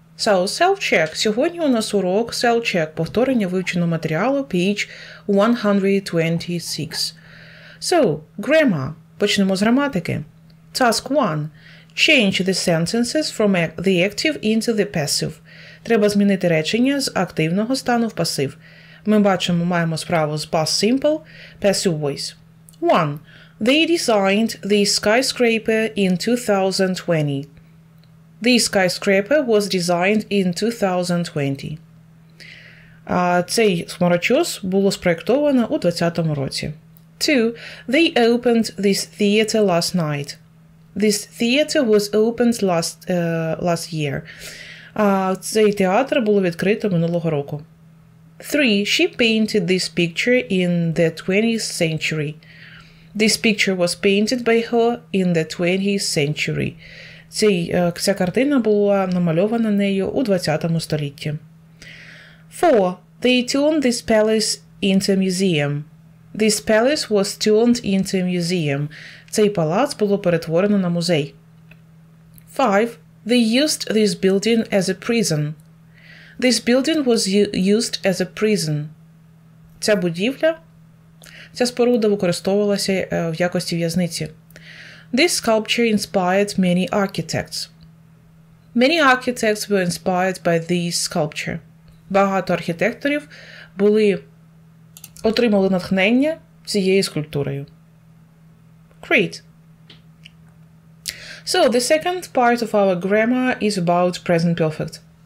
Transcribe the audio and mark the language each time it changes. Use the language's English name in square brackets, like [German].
[English] So, self-check. [Ukrainian] Сьогодні у нас урок self-check, повторення вивченого матеріалу, [English] page 126. So, grammar. [Ukrainian] Почнемо з граматики. [English] Task 1. Change the sentences from the active into the passive. [Ukrainian] Треба змінити речення з активного стану в пасив. Ми бачимо, маємо справу з [English] past simple, passive voice. [Ukrainian] 1. [English] They designed the skyscraper in 2020. The skyscraper was designed in 2020. [Ukrainian] А цей хмарочос було спроєктовано у 20-му році. [English] 2. They opened this theater last night. This theater was opened last year. [Ukrainian] А цей театр було відкрито минулого року. 3. [English] She painted this picture in the 20th century. This picture was painted by her in the 20th century. [Ukrainian] Ця картина була намальована нею у 20-му столітті. [English] 4. They turned this palace into a museum. This palace was turned into a museum. [Ukrainian] Цей палац було перетворено на музей. [English] 5. They used this building as a prison. This building was used as a prison. [Ukrainian] Ця споруда використовувалася в якості в'язниці. [English] This sculpture inspired many architects. Many architects were inspired by this sculpture. [Ukrainian] Багато архітекторів отримали натхнення цією скульптурою. [English] Great. So, the second part of our grammar is about present perfect.